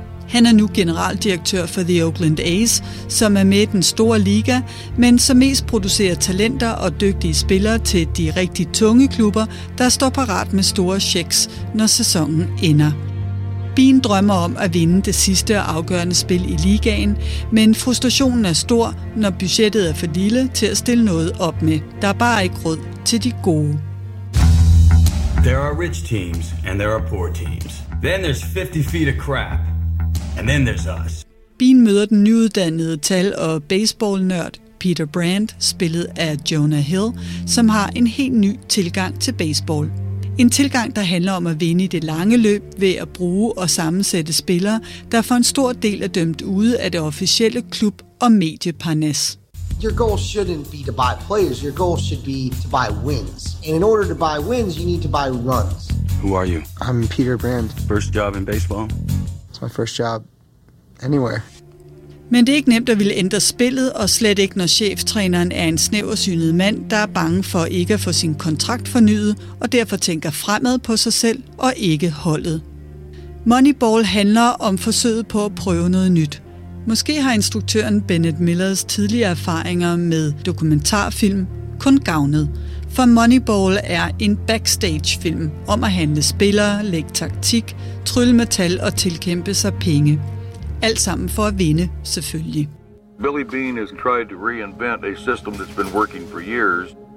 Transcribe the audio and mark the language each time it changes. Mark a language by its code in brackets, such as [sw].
[da] Han er nu generaldirektør for The Oakland A's, som er med i den store liga, men som mest producerer talenter og dygtige spillere til de rigtig tunge klubber, der står parat med store checks, når sæsonen ender. Bean drømmer om at vinde det sidste og afgørende spil i ligaen, men frustrationen er stor, når budgettet er for lille til at stille noget op med. Der er bare ikke råd til de gode. [en] There are rich teams, and there are poor teams. Then there's 50 feet of crap. And then there's us. [da] Bean møder den nyuddannede tal- og baseball-nørd Peter Brand, spillet af Jonah Hill, som har en helt ny tilgang til baseball. En tilgang, der handler om at vinde i det lange løb ved at bruge og sammensætte spillere, der for en stor del er dømt ude af det officielle klub- og medieparnas. [en] Your goal shouldn't be to buy players. Your goal should be to buy wins. And in order to buy wins, you need to buy runs. Who are you? I'm Peter Brand. First job in baseball? My first job anywhere. [da] Men det er ikke nemt at ville ændre spillet, og slet ikke når cheftræneren er en snæversynet mand, der er bange for ikke at få sin kontrakt fornyet, og derfor tænker fremad på sig selv og ikke holdet. Moneyball handler om forsøget på at prøve noget nyt. Måske har instruktøren Bennett Millers tidligere erfaringer med dokumentarfilm kun gavnet. For Moneyball er en backstage-film om at handle spillere, lægge taktik, trylle med tal og tilkæmpe sig penge. Alt sammen for at vinde, selvfølgelig. [en] Billy Bean has tried to reinvent a system that's been working for years.